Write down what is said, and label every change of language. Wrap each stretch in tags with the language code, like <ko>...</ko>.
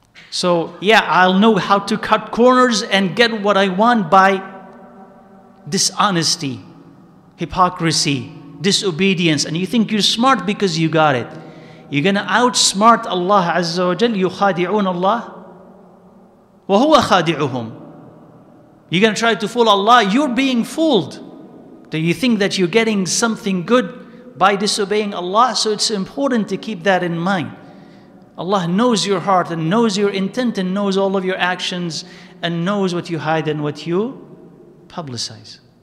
<en>So yeah, I'll know how to cut corners and get what I want by dishonesty, hypocrisy, disobedience. And you think you're smart because you got it. You're going to outsmart Allah Azza wa Jal.</en> <ar>يخادعون الله وهو خادعهم.</ar> <en>You're going to try to fool Allah. You're being fooled. Do you think that you're getting something good by disobeying Allah? So it's important to keep that in mind. Allah knows your heart and knows your intent and knows all of your actions and knows what you hide and what you publicize.</en>